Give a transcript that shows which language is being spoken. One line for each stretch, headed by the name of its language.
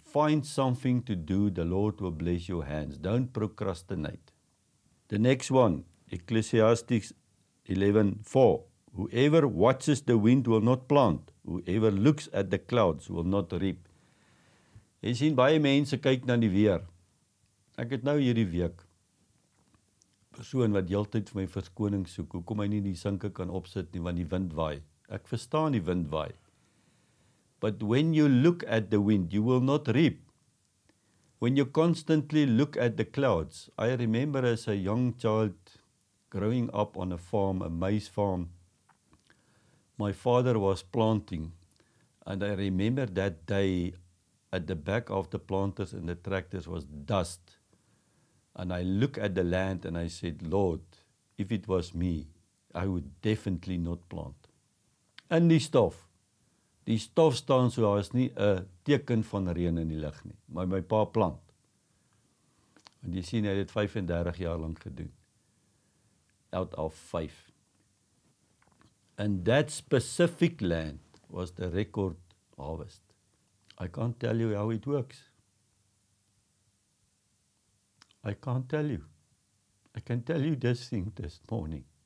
English: Find something to do. The Lord will bless your hands. Don't procrastinate. The next one, Ecclesiastes 11:4. Whoever watches the wind will not plant. Whoever looks at the clouds will not reap.
Afrikaans: Jy sien, baie mense kyk na die weer. Ek het nou hierdie week persoon wat heeltyd vir my verskoning soek. Hoekom hy nie die sinke kan opsit nie, want die wind waai. Ek verstaan die wind waai.
English: But when you look at the wind, you will not reap. When you constantly look at the clouds. I remember as a young child growing up on a farm, a maize farm. My father was planting. And I remember that day at the back of the planters and the tractors was dust. And I look at the land and I said, Lord, if it was me, I would definitely not plant.
Afrikaans: En die stof. Die stof staan so, daar is nie 'n teken van reën in die lug nie. Maar my pa plant. Want jy sien, hy het 35 jaar lank gedoen.
English: Out of 5. And that specific land was the record harvest. I can't tell you how it works. I can't tell you. I can tell you this thing this morning.